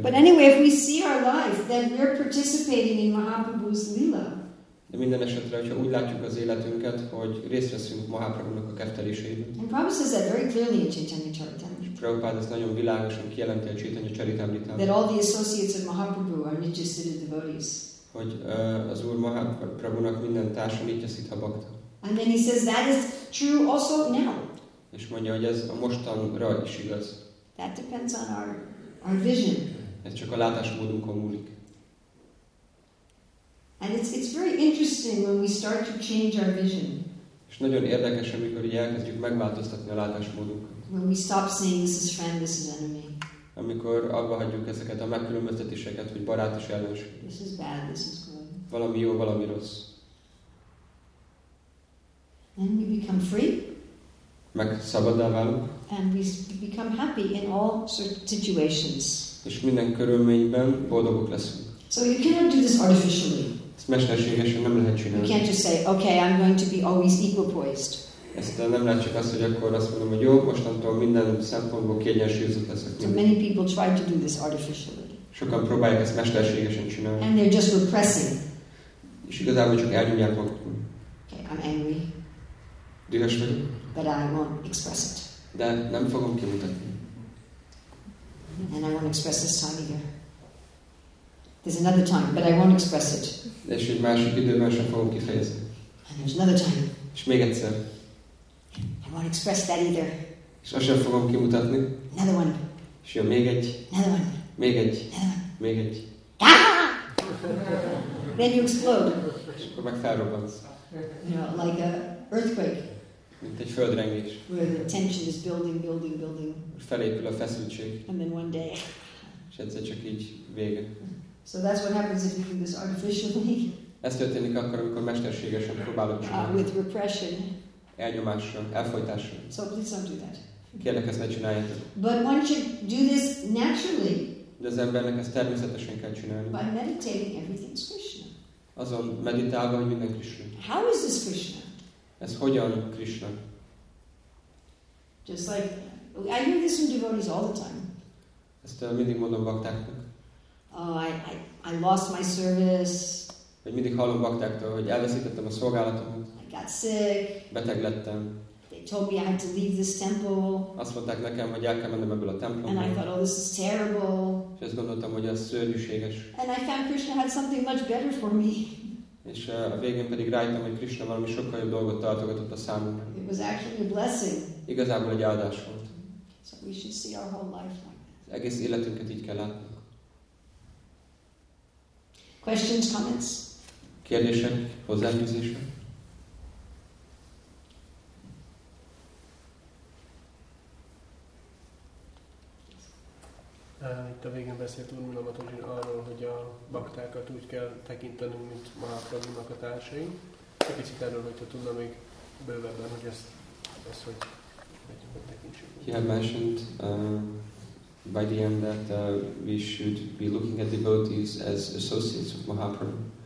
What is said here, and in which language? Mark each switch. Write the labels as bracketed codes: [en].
[en] But anyway, if we see our life, then we're participating in Mahaprabhu's lila. [hu] De minden esetre, hogyha úgy látjuk az életünket, hogy részt veszünk Mahaprabhunak a kefteléseiben. [en] And Prabhupada says that very clearly in Chaitanya Charitamrita. [hu] Prabhupada ezt nagyon világosan kijelenti a Chaitanya Charitamritában. [en] That all the associates of Mahaprabhu are Nityasiddha devotees. [hu] Hogy az Úr Mahaprabhunak minden társa Nityasiddha bhakta. [en] And then he says that is true also now. [hu] És mondja, hogy ez a mostanra is igaz. [en] That depends on our vision. [hu] Ez csak a látásmódunkon múlik. [en] And it's very interesting when we start to change our vision. [hu] És nagyon érdekes, amikor így elkezdjük megváltoztatni a látásmódunkat. [en] When we stop saying this is friend, this is enemy. [hu] Amikor abba hagyjuk ezeket a megkülönböztetéseket, hogy barát és ellenség. [en] This is bad, this is good. [hu] Valami jó, valami rossz. [en] Then we become free. [hu] Megszabaddá válunk. [en] And we become happy in all situations. [hu] És minden körülményben boldogok leszünk. [en] So you cannot do this artificially. [hu] Ezt mesterségesen nem lehet csinálni. [en] You can't just say, okay, I'm going to be always equipoised. [hu] Ezt nem lehet csak azt, hogy akkor azt mondom, hogy jó, mostantól minden szempontból kiegyensúlyozott leszek. [en] So many people try to do this artificially. [hu] Sokan próbálják ezt mesterségesen csinálni. [en] And they're just repressing. [hu] És igazából csak elnyomják maguk. [en] Okay, I'm angry. [hu] Dühös vagyok. [en] But I won't express it. [hu] De nem fogom kimutatni. [en] And I won't express this time either. There's another time, but I won't express it. [hu] És egy másik időben sem fogom kifejezni. [en] And there's another time. [hu] És még egyszer. [en] I won't express that either. [hu] És azt sem fogom kimutatni. [en] Another one. [hu] És jön még egy. [en] Another one. [hu] Még egy. [en] Another one. [hu] Még egy. [en] Then you explode. [hu] És akkor meg felrobbansz. [en] You know, like a earthquake. [hu] Mint egy földrengés. [en] Where the tension is building. [hu] Felépül a feszültség. [en] And then one day. [hu] És egyszer csak így vége. [en] So that's what happens if you do this artificially. [hu] Ez történik akkor, amikor mesterségesen próbálok csinálni. [en] With repression. [hu] Elnyomással, elfolytással. [en] So please don't do that. [hu] Kérlek, ezt ne csináljátok. [en] But one should do this naturally. [hu] De az embernek ezt természetesen kell csinálni. [en] By meditating, everything's Krishna. [hu] Azon meditálva, hogy minden Krishna. [en] How is this Krishna? [hu] Ez hogyan Krishna? [en] Just like I hear this from devotees all the time. [hu] Ezt mindig mondom baktáknak. [en] Oh, I lost my service. [hu] Vagy mindig hallom baktáktól, hogy elveszítettem a szolgálatomat. [en] I got sick. [hu] Beteg lettem. [en] They told me I had to leave this temple. [hu] Azt mondták nekem, hogy el kell mennem ebből a templomból. [en] And I thought, oh, this is terrible. [hu] És azt gondoltam, hogy ez szörnyűséges. [en] And I found Krishna had something much better for me. [hu] És a végén pedig rájöttem, hogy Krishna valami sokkal jobb dolgot tartogatott a számunkra. [en] It was actually a blessing. [hu] Igazából egy áldás volt. [en] So we should see our whole life like that. [hu] Egész életünket így kell látnunk. [en] Questions, comments? [hu] Kérdések, hozzáfűzések? Itt a végén beszélt Úr Milamatori arról, hogy a baktákat úgy kell tekintenünk, mint Mahaprabhunak a társai. Egy picit erről, hogyha tudna még bővebben, hogy ezt hogy tekintsük. [en] He had mentioned by the end that we should be looking at devotees as associates of Mahaprabhu.